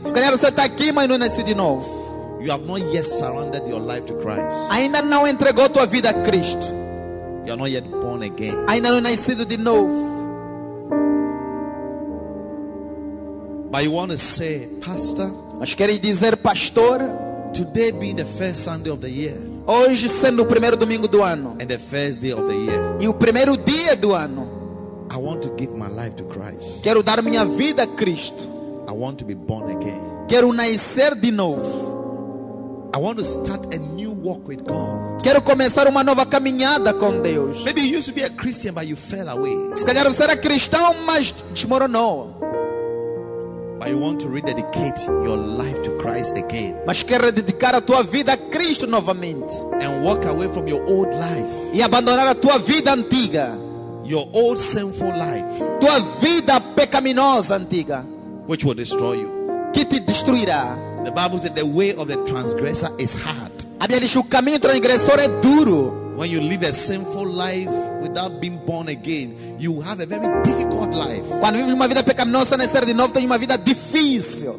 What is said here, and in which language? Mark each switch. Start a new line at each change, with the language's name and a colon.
Portuguese: Se calhar você está aqui, mas não nasceu de novo.
English: You have not yet surrendered your life to Christ.
Portuguese: Ainda não entregou tua vida a Cristo.
English: You are not yet born again.
Portuguese: Ainda não nasceu de novo.
English: But you want to say, pastor?
Portuguese: Mas queres dizer, pastor?
English: Today being the first Sunday of the year.
Portuguese: Hoje sendo o primeiro domingo do ano.
English: And the first day of the year.
Portuguese: E o primeiro dia do ano.
English: I want to give my life to Christ.
Portuguese: Quero dar minha vida a Cristo.
English: I want to be born again.
Portuguese: Quero nascer de novo.
English: I want to start a new walk with God.
Portuguese: Quero começar uma nova caminhada com Deus.
English: Maybe you used to be a Christian but you fell away.
Portuguese: Se calhar você era cristão, mas desmoronou.
English: But you want to rededicate your life to Christ again.
Portuguese: Mas quer rededicar a tua vida a Cristo novamente.
English: And walk away from your old life.
Portuguese: E abandonar a tua vida antiga.
English: Your old sinful life.
Portuguese: Tua vida pecaminosa antiga.
English: Which will destroy you.
Portuguese: Que te destruirá.
English: The Bible said the way of the transgressor is hard.
Portuguese: A Bíblia diz o caminho do transgressor é duro.
English: When you live a sinful life without being born again, you have a very difficult life.
Portuguese: Quando vive uma vida pecaminosa sem nascer de novo, tem uma vida difícil.